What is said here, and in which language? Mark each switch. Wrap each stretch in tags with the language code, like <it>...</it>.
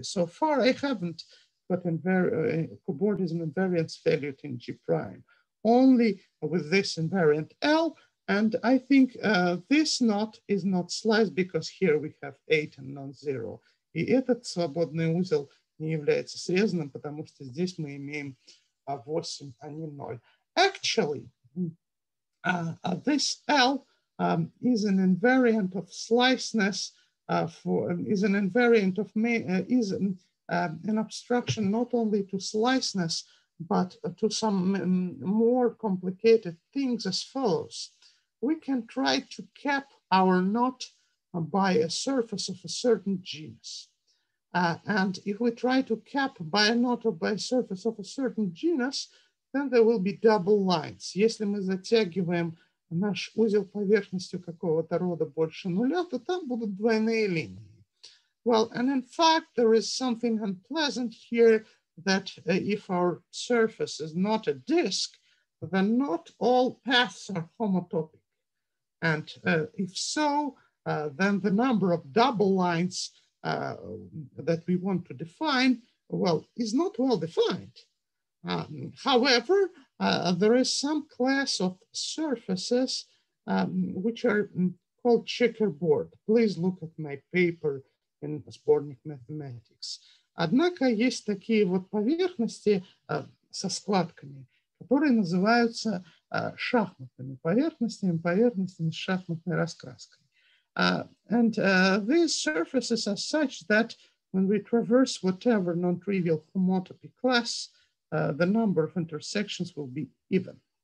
<en>So far, I haven't got cobordism invariants valued in G prime, only with this invariant L. And I think this knot is not sliced because here we have 8 and non-zero.</en> <ru>И этот свободный узел не является срезанным, потому что здесь мы имеем 8, а не 0.</ru> <en>Actually, this L is an invariant of sliceness an obstruction not only to sliceness, but to some more complicated things as follows. We can try to cap our knot by a surface of a certain genus. And if we try to cap by a knot or by a surface of a certain genus, then there will be double lines.</en> <ru>Если мы затягиваем наш узел поверхностью какого-то рода больше нуля, то там будут двойные линии.</ru> <en>Well, and in fact, there is something unpleasant here that if our surface is not a disk, then not all paths are homotopic. And if so, then the number of double lines that we want to define, well, is not well defined. However, there is some class of surfaces which are called checkerboard. Please look at my paper in Сборник Mathematics.</en> <ru>Однако есть такие вот поверхности со складками, которые называются шахматными поверхностями, поверхностями с шахматной раскраской.</ru> <en>These surfaces are such that when we traverse whatever non-trivial homotopy class, the number of intersections will be even.</en>